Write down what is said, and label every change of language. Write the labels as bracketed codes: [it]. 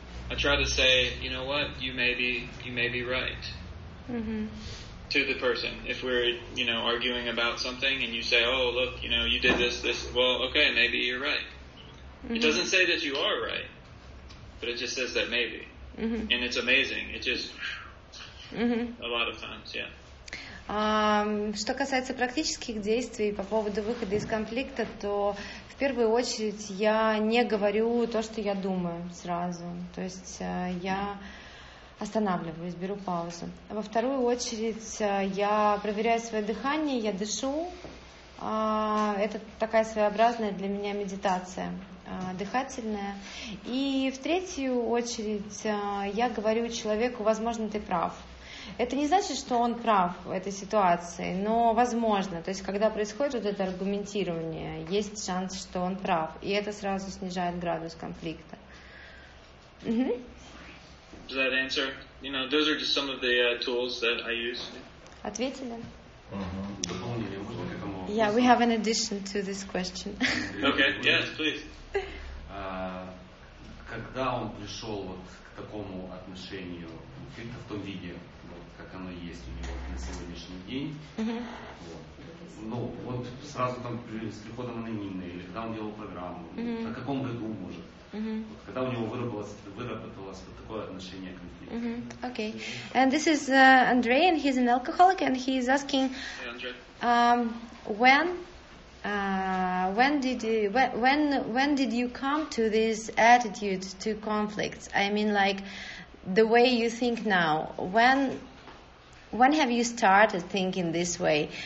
[en] I try to say, you know what, you may be right. Mm-hmm. To the person, if we're, you know, arguing about something and you say, oh, look, you know, you did this, well, okay, maybe you're right. Mm-hmm. It doesn't say that you are right, but it just says that maybe. Mm-hmm. And it's amazing. It just, mm-hmm. a lot of times, yeah. [ru] Что касается практических действий по поводу выхода из конфликта, то в первую очередь я не говорю то, что я думаю сразу. То есть я... останавливаюсь, беру паузу. Во вторую очередь я проверяю свое дыхание, я дышу. Это такая своеобразная для меня медитация дыхательная. И в третью очередь я говорю человеку, возможно, ты прав. Это не значит, что он прав в этой ситуации, но возможно. То есть когда происходит вот это аргументирование, есть шанс, что он прав. И это сразу снижает градус конфликта. Угу. [en] Does that answer? You know, those are just some of the tools that I use. [ru] Ответили. Uh-huh. [en] Yeah, we have an addition to this question. Okay, yes, please. [ru] Когда он пришел вот к такому отношению конфликта в том виде, вот, как оно есть у него на сегодняшний день, uh-huh. вот, ну, вот сразу там с приходом анонимной, или когда он делал программу, uh-huh. на каком году может? Mm-hmm. Когда у него выработалось вот такое отношение к конфликту. [en] Mm-hmm. Okay. And this is Andre, and he's an alcoholic, and he is asking, when did you come to this attitude to conflicts? I mean, like the way you think now. When have you started thinking this way?